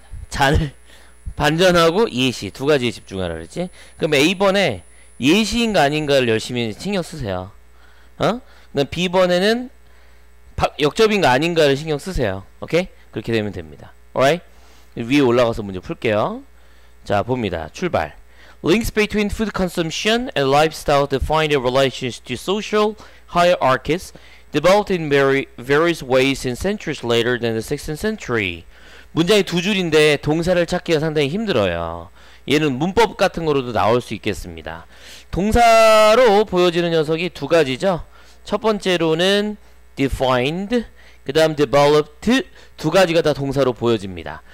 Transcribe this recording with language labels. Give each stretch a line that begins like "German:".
Korean: 잔을 반전하고 예시 두 가지에 집중하라 그랬지. 그럼 A번에 예시인가 아닌가를 열심히 신경 쓰세요. 어? 그럼 B번에는 역접인가 아닌가를 신경 쓰세요. 오케이? 그렇게 되면 됩니다.
English: Alright?
Korean: 위에 올라가서 문제 풀게요. 자, 봅니다. 출발.
English: Links between food consumption and lifestyle define the relations to social hierarchies developed in various ways in centuries later than the 16th century.
Korean: 문장이 두 줄인데 동사를 찾기가 상당히 힘들어요. 얘는 문법 같은 거로도 나올 수 있겠습니다. 동사로 보여지는 녀석이 두 가지죠. 첫 번째로는 defined, 그 다음 developed, 두 가지가 다 동사로 보여집니다.